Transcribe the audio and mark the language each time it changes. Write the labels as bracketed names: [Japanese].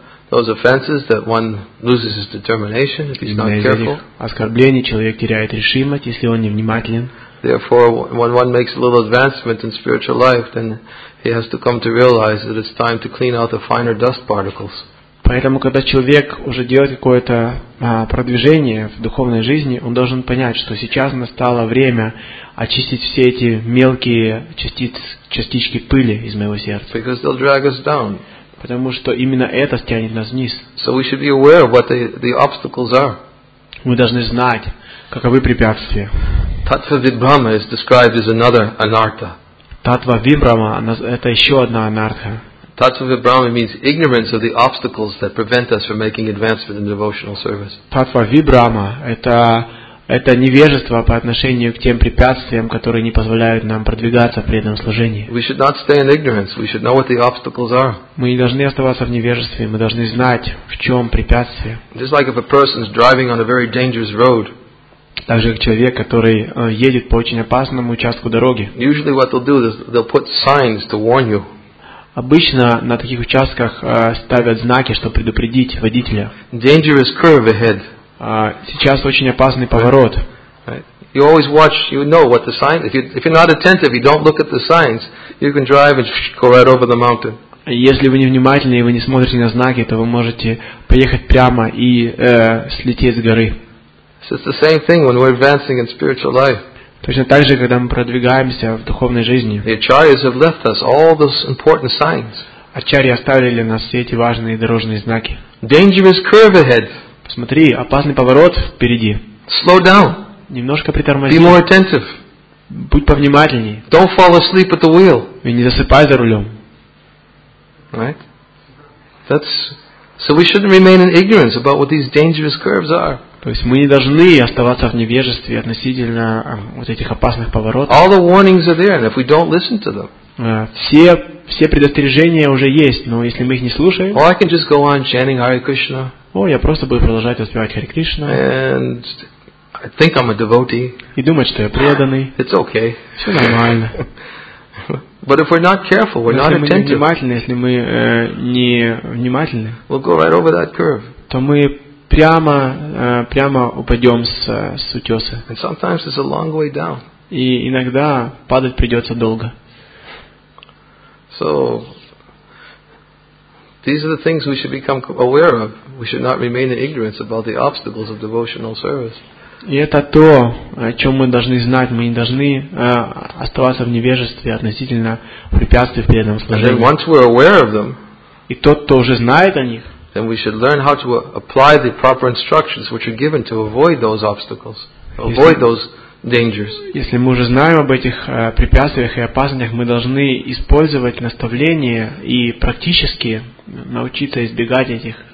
[English] Those offenses that one loses his determination if he's not careful. [Russian] Оскорблений человек теряет решимость, если он невнимателен. [English] Therefore, when one makes a little advancement in spiritual life, then he has to come to realize that it's time to clean out the finer dust particles. [Russian] Поэтому, когда человек уже делает какое-то продвижение в духовной жизни, он должен понять, что сейчас настало время очистить все эти мелкие частички пыли из моего сердца. [English] Because they'll drag us down. [Russian] Потому что именно это стянет нас вниз. [English] So we should be aware of what the obstacles are. [Russian] Мы должны знать, каковы препятствия. [English] Tattva Vibhrama is described as another anartha. [Russian] Tattva Vibhrama – это еще одна анартха. [English] Tattva Vibhrama means ignorance of the obstacles that prevent us from making advancement in devotional service. [Russian] Tattva Vibhrama – это невежество по отношению к тем препятствиям, которые не позволяют нам продвигаться в преданном служении. Мы не должны оставаться в невежестве, мы должны знать, в чем препятствие. [English] Just like if a person is driving on a very dangerous road. [Russian] Так же, как человек, который едет по очень опасному участку дороги. [English] Usually what they'll do is they'll put signs to warn you. [Russian] Обычно на таких участках ставят знаки, чтобы предупредить водителя. [English] Dangerous curve ahead. [Russian] Сейчас очень опасный поворот. [English] Right. You always watch, you know what the signs. If you're not attentive, you don't look at the signs. You can drive and go right over the mountain. [Russian] Если вы не внимательны и вы не смотрите на знаки, то вы можете поехать прямо и слететь с горы. [English] So it's the same thing when we're advancing in spiritual life. [Russian] Точно так же, когда мы продвигаемся в духовной жизни. [English] The acharyas have left us all those important signs. [Russian] Ачарьи оставили нас все эти важные дорожные знаки. [English] Dangerous curve ahead. [Russian] Смотри, опасный поворот впереди. [English] Slow down. [Russian] Немножко притормози. [English] Be more attentive. [Russian] Будь повнимательней. [English] Don't fall asleep at the wheel. [Russian] И не засыпай за рулем. [English] Right? So we shouldn't remain in ignorance about what these dangerous curves are. [Russian] То есть мы не должны оставаться в невежестве относительно вот этих опасных поворотов. [English] All the warnings are there, and if we don't listen to them. [Russian] Все предостережения уже есть, но если мы их не слушаем. [English] Or I can just go on chanting Hare Krishna. [Russian] О, я просто буду продолжать воспевать Харе Кришна. [English] And I think I'm a devotee. [Russian] И думать, что я преданный. [English] It's okay. [Russian] Все нормально. [English] But if we're not careful, we're not attentive. [Russian] Если мы невнимательны, если мы не внимательны, [English] we'll go right over that curve. [Russian] То мы прямо упадем с утеса. [English] And sometimes it's a long way down. [Russian] И иногда падать придется долго. [English] So these are the things we should become aware of. We should not remain in ignorance about the obstacles of devotional service. [Russian] И это то, о чем мы должны знать. Мы не должны оставаться в невежестве относительно препятствий в преданном служении. [English] And once we're aware of them, [Russian] и тот, кто уже знает о них, [English] then we should learn how to apply the proper instructions which are given to avoid those obstacles, avoid those dangers. [Russian] Если мы уже знаем об этих препятствиях и опасностях, мы должны использовать наставления и практически научиться избегать этих опасностей.